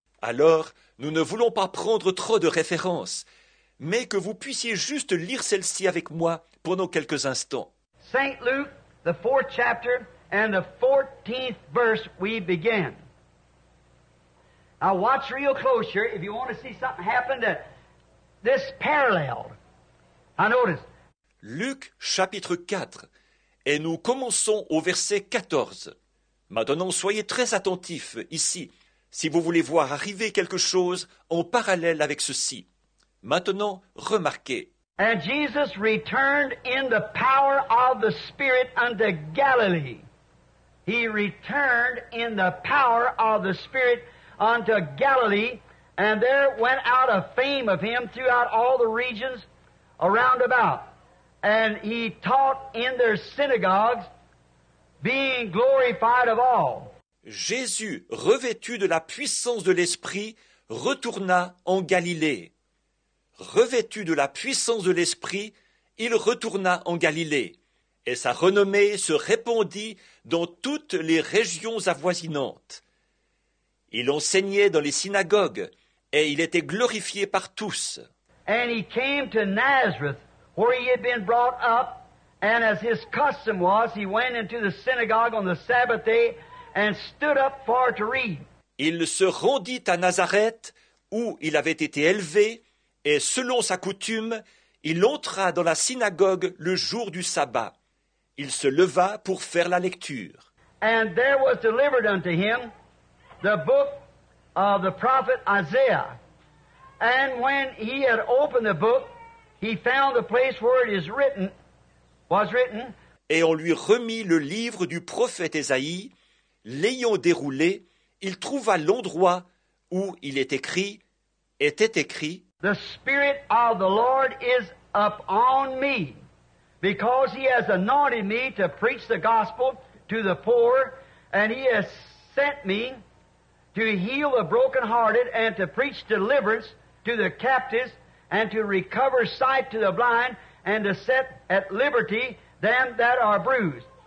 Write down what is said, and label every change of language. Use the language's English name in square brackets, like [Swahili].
[French] Alors, nous ne voulons pas prendre trop de références, mais que vous puissiez juste lire celle-ci avec moi pendant quelques instants. [English] Saint Luke, the 4th chapter and the 14th verse, we begin. Now watch real close here if you want to see something happen that this parallel. I notice. [French] Luc chapitre 4 et nous commençons au verset 14. Maintenant, soyez très attentifs ici si vous voulez voir arriver quelque chose en parallèle avec ceci. Maintenant, remarquez. [English] And Jesus returned in the power of the Spirit unto Galilee. He returned in the power of the Spirit unto Galilee, and there went out a fame of him throughout all the regions around about. And he taught in their synagogues, being glorified of all. [French] Jésus, revêtu de la puissance de l'Esprit, retourna en Galilée. Revêtu de la puissance de l'Esprit, il retourna en Galilée. Et sa renommée se répandit dans toutes les régions avoisinantes. Il enseignait dans les synagogues et il était glorifié par tous. [English] And he came to Nazareth, where he had been brought up, and as his custom was, he went into the synagogue on the Sabbath day and stood up for to read. [French] Il se rendit à Nazareth, où il avait été élevé, et selon sa coutume, il entra dans la synagogue le jour du sabbat. Il se leva pour faire la lecture. [English] And there was delivered unto him the book of the prophet Isaiah. And when he had opened the book, he found the place where it is written, was written. [French] Et on lui remit le livre du prophète Isaïe. L'ayant déroulé, il trouva l'endroit où il est écrit, était écrit. [English] The Spirit of the Lord is upon me, because he has anointed me to preach the gospel to the poor, and he has sent me to heal the brokenhearted, and to preach deliverance to the captives, and to recover sight to the blind, and to set at liberty them that are bruised.